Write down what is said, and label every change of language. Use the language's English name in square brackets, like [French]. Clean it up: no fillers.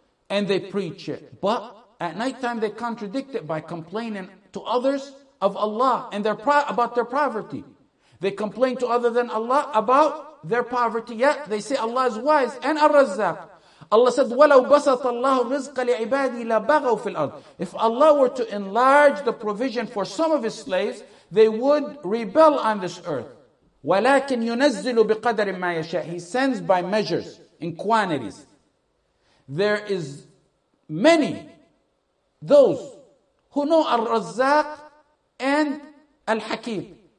[English] And they preach it. But at nighttime they contradict it by complaining to others of Allah and about their poverty. They complain to other than Allah about their poverty. Yet they say Allah is wise and al-Razzaq. Allah said, [Arabic] وَلَوْ بَسَطَ اللَّهُ الرِّزْقَ لِعِبَادِي لَبَغَوْا فِي الْأَرْضِ. [English] If Allah were to enlarge the provision for some of His slaves, they would rebel on this earth. [Arabic] وَلَكِنْ يُنَزِّلُ بِقَدَرٍ مَّا يَشَاءُ. [English] He sends by measures in quantities. There is many those who know Al-Razzaq and Al-Hakim.